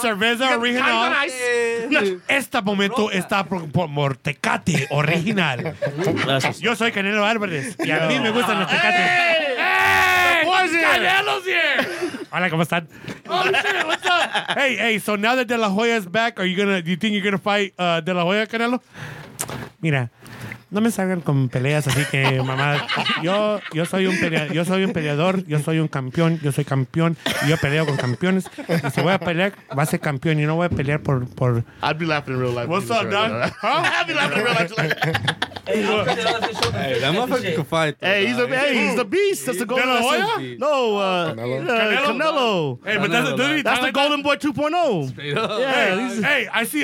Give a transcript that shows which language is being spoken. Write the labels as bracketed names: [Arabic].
[Spanish] Cerveza original. Este momento está por Tecati original. Yo soy Canelo Álvarez. Y a mí me gustan los Tecati. [English] Canelo's here. [Spanish] Hola, ¿cómo están? [English] Oh, shit, what's up? Hey, so now that De La Hoya's back, do you think you're going to fight De La Hoya, Canelo? [Spanish] Mira, no me salgan con peleas, así que, mamá, yo soy un peleador, yo soy un campeón, yo soy campeón, y yo peleo con campeones, y si voy a pelear, va a ser campeón, y no voy a pelear por... [English] I'd be laughing in real life. What's up, dog? I'd be laughing in real life. Hey, that motherfucker can fight. Hey, he's the beast. That's the golden boy. No, Canelo. Hey, but that's the golden boy 2.0. Yeah. Hey, I see.